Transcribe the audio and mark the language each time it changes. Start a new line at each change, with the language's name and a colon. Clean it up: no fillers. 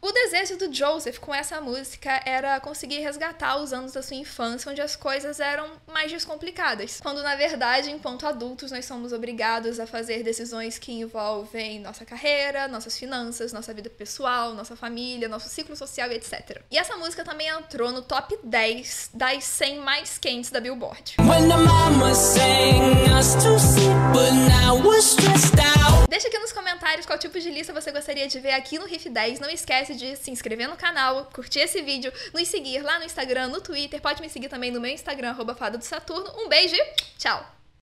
Portuguese: O desejo do Joseph com essa música era conseguir resgatar os anos da sua infância, onde as coisas eram mais descomplicadas. Quando, na verdade, enquanto adultos, nós somos obrigados a fazer decisões que envolvem nossa carreira, nossas finanças, nossa vida pessoal, nossa família, nosso ciclo social, etc. E essa música também entrou no top 10 das 100 mais quentes da Billboard.
English: When the mama sang us to sleep, but now we're stressed out.
Portuguese: Deixa aqui nos comentários qual tipo de lista você gostaria de ver aqui no Riff 10. Não esquece de se inscrever no canal, curtir esse vídeo, nos seguir lá no Instagram, no Twitter. Pode me seguir também no meu Instagram, @fadadosaturno. Um beijo e tchau!